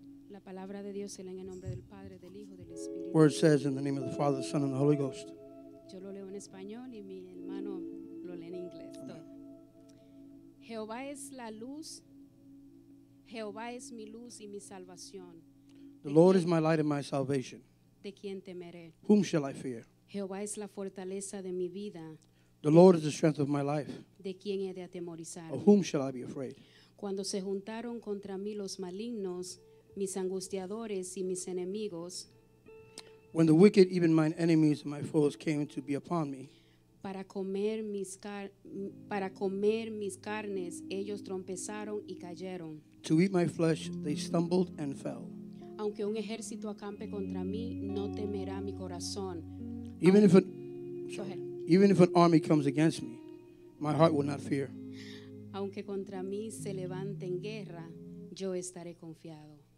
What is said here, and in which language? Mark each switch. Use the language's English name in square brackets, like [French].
[Spanish] La palabra de Dios se lee en el nombre del Padre, del Hijo, del Espíritu. [English] Word says in the name of the Father, the Son, and the Holy Ghost. [Spanish] Yo lo leo en español y mi hermano lo lee en inglés. Jehová es la luz. Jehová es mi luz y mi salvación. [English] The Lord is my light and my salvation. [Spanish] De quién temeré? [English] Whom shall I fear? [Spanish] Jehová es la fortaleza de mi vida. [English] The Lord is the strength of my life. [Spanish] ¿De quién he de atemorizar? [English] Of whom shall I be afraid? [Spanish] Cuando se juntaron contra mí los malignos, mis angustiadores y mis enemigos. [English] When the wicked, even my enemies and my foes, came to be upon me. [Spanish] Para comer mis carnes, ellos trompezaron y cayeron. [English] To eat my flesh, they stumbled and fell. [Spanish] Aunque un ejército acampe contra mí, no temerá mi corazón. [English] Even if an army comes against me, my heart will not fear. [Spanish] Aunque contra mí se levanten guerra, yo estaré confiado.